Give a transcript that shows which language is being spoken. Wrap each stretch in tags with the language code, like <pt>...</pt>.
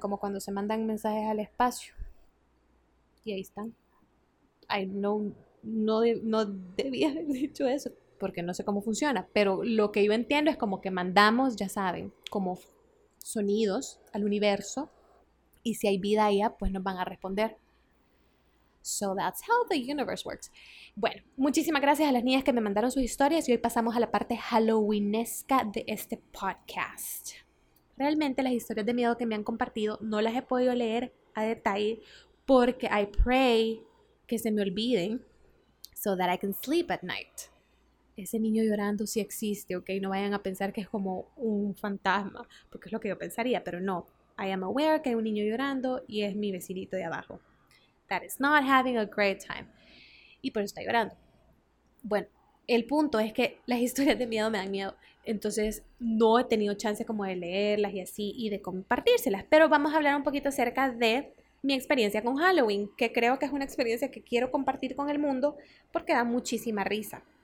<es>Como cuando se mandan mensajes al espacio y ahí están. No debía haber dicho eso porque no sé cómo funciona, pero lo que yo entiendo es como que mandamos, ya saben, como sonidos al universo, y si hay vida allá, pues nos van a responder.</es> <en>So that's how the universe works.</en> <es>Bueno, muchísimas gracias a las niñas que me mandaron sus historias y hoy pasamos a la parte halloweenesca de este podcast. Realmente las historias de miedo que me han compartido no las he podido leer a detalle porque</es> <en>I pray</en> <es>que se me olviden,</es> <en>so that I can sleep at night.</en> <es>Ese niño llorando sí existe, ¿ok? No vayan a pensar que es como un fantasma, porque es lo que yo pensaría, pero no.</es> <en>I am aware</en> <es>que hay un niño llorando y es mi vecinito de abajo.</es> <en>That is not having a great time.</en> <es>Y por eso está llorando. Bueno, el punto es que las historias de miedo me dan miedo. Entonces, no he tenido chance como de leerlas y así, y de compartírselas. Pero vamos a hablar un poquito acerca de mi experiencia con Halloween, que creo que es una experiencia que quiero compartir con el mundo porque da muchísima risa.</es>